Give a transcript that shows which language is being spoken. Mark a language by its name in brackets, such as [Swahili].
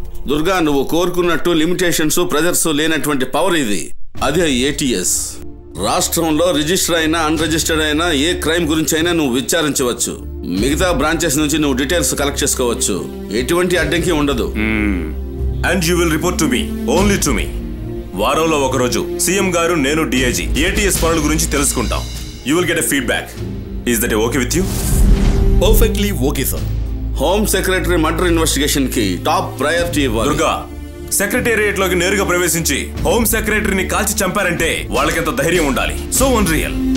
[Telugu] దుర్గా, నువ్వు కోరుకున్నట్టు limitations, pressures లేనటువంటి power ఇది, అదే ఏటీఎస్. రాష్ట్రంలో రిజిస్టర్ అయినా అన్ రిజిస్టర్డ్ అయినా ఏ క్రైమ్ గురించి అయినా నువ్వు విచారించవచ్చు, మిగతా బ్రాంచెస్ నుంచి నువ్వు డీటెయిల్స్ కలెక్ట్ చేసుకోవచ్చు, ఎటువంటి అడ్డంకి ఉండదు. [English] And you will report to me, only to me. [Telugu] వారంలో ఒకరోజు సీఎం గారు, నేను డిఐజీ, ఏటీఎస్ పనుల గురించి తెలుసుకుంటాం. [English] You will get a feedback. Is that okay with you? Perfectly okay, sir. [Telugu] Home secretary murder investigation కి టాప్ ప్రయారిటీ ఇవ్వాలి. Durga, secretariat లోకి నేరుగా ప్రవేశించి హోమ్ సెక్రటరీని కాల్చి చంపారంటే వాళ్ళకెంత ధైర్యం ఉండాలి. [English] So unreal.